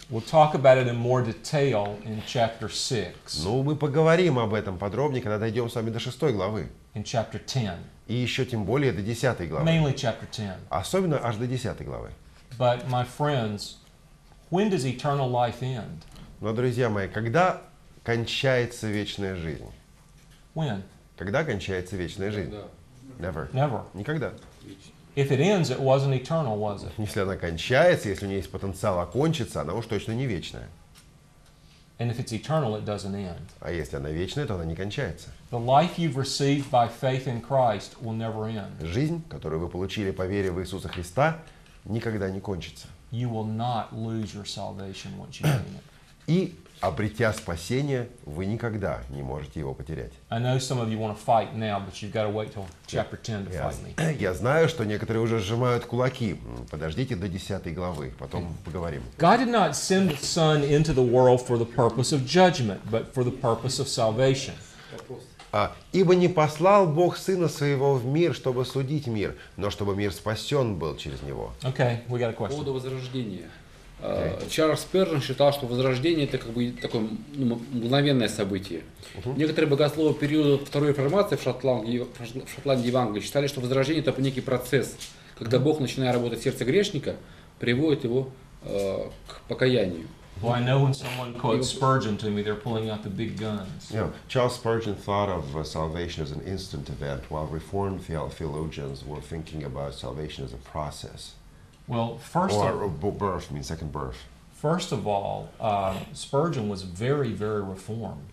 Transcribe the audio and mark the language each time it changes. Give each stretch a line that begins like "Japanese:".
English: We'll talk about it in more detail in chapter 6.
Russian: Ну, мы поговорим об этом подробнее, когда дойдем с вами до 6 главы.
English: In chapter 10.
Russian: И еще тем более до 10 главы.
English: Mainly chapter 10.
Russian: Особенно аж до 10 главы.
English: But my friends, when does eternal life end?
Russian: Но, друзья мои, когда кончается вечная жизнь?
English: When?
Russian: Когда кончается вечная жизнь?
English: Never. Never.
Russian: Никогда.
English: If it ends, it wasn't eternal, was it?
Russian: Если она кончается, если у нее есть потенциал окончиться, она уж точно не вечная.
English: And if it's eternal, it doesn't end.
Russian: А если она вечная, то она не кончается.
English: The life you've received by faith in Christ will never end.
Russian: Жизнь, которую вы получили по вере в Иисуса Христа, никогда не кончится.
English: You will not lose your salvation once you gain it.
Russian: И обретя спасение, вы никогда не можете его потерять.
English: I know some of you want to fight now, but you've got to wait till chapter 10 to fight me.
Russian: Я знаю, что некоторые уже сжимают кулаки. Подождите до 10 главы, потом поговорим.
English: God did not send the Son into the world for the purpose of judgment, but for the purpose of salvation.
Russian: Ибо не послал Бог Сына Своего в мир, чтобы судить мир, но чтобы мир спасен был через Него.
English: Okay, we got a question.
Russian: По поводу возрождения. Чарльз Спёрджен считал, что возрождение это как бы такое мгновенное событие. Некоторые богословы периода второй реформации в Шотландии и в Англии считали, что возрождение это некий процесс, когда Бог, начиная работать в сердце грешника, приводит его к покаянию.
English: Well, I know when someone quotes Spurgeon to me, they're pulling out the big guns. Yeah, Charles Spurgeon thought of salvation as an instant event, while Reformed theologians were thinking about salvation as a process. Well, first or of birth, I mean second birth. First of all, Spurgeon was very, very reformed.